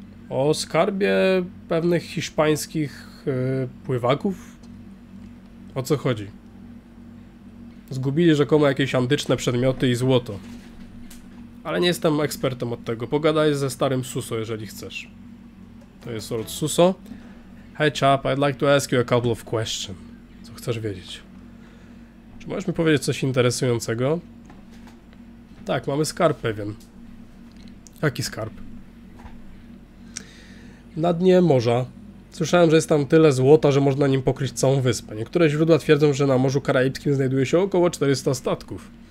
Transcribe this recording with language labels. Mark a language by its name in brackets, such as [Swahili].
[Polish] O skarbie pewnych hiszpańskich pływaków? O co chodzi? Zgubili rzekomo jakieś antyczne przedmioty i złoto. Ale nie jestem ekspertem od tego. Pogadaj ze starym Suso, jeżeli chcesz. To jest Old Suso. [English] Hey chap, I'd like to ask you a couple of questions. [Polish] Co chcesz wiedzieć? Czy możesz mi powiedzieć coś interesującego? Tak, mamy skarb pewien. Jaki skarb? Na dnie morza. Słyszałem, że jest tam tyle złota, że można nim pokryć całą wyspę. Niektóre źródła twierdzą, że na Morzu Karaibskim znajduje się około 400 statków.